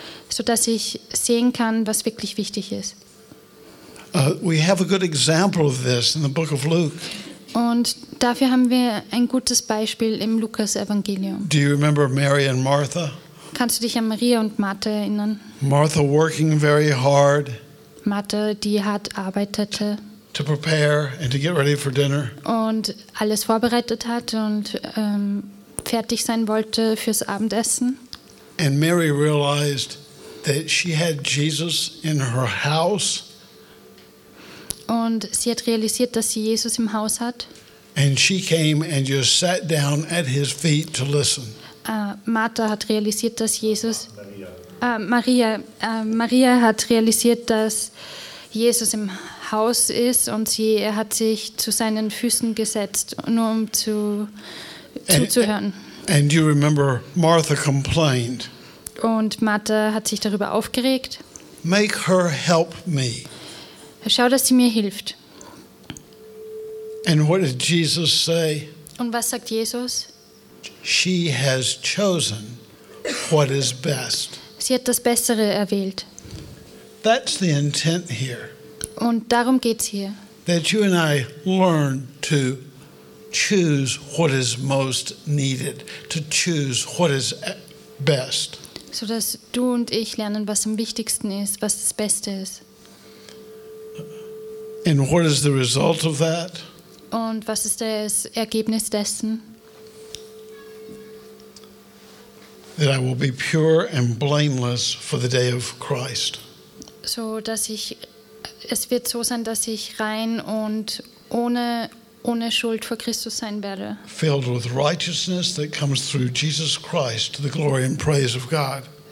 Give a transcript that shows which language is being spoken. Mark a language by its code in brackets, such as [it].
[de] So dass ich sehen kann, was wirklich wichtig ist. [en] We have a good example of this in the book of Luke. [de] Und dafür haben wir ein gutes Beispiel im Lukas Evangelium. [en] Do you remember Mary and Martha? [de] Kannst du dich an Maria und Martha erinnern? [en] Martha working very hard. [de] Martha, die hart arbeitete. [en] To prepare and to get ready for dinner. [de] Und alles vorbereitet hat und fertig sein wollte fürs Abendessen. [en] And Mary realized that she had Jesus in her house. [de] Und sie hat realisiert, dass sie Jesus im Haus hat. [en] And she came and just sat down at his feet to listen. [de] Martha hat realisiert, dass Jesus Maria hat realisiert, dass Jesus im Haus ist und sie hat sich zu seinen Füßen gesetzt, nur um zuzuhören. [en] And you remember Martha complained. [de] Und Martha hat sich darüber aufgeregt. [en] Make her help me. [de] Schau, dass sie mir hilft. [en] And what did Jesus say? [de] Und was sagt Jesus? [en] She has chosen what is best. [de] Sie hat das Bessere erwählt. [en] That's the intent here. [de] Und darum geht's hier. [en] That you and I learn to choose what is most needed, to choose what is best. [de] So dass du und ich lernen, was am wichtigsten ist, was das Beste ist. [en] And what is the result of that? [de] Und was ist das Ergebnis dessen? [en] That I will be pure and blameless for the day of Christ. [de] So dass ich, es wird so sein, dass ich rein und ohne Schuld vor Christus sein werde. [en] Filled with righteousness that comes through Jesus Christ to the glory and praise of God.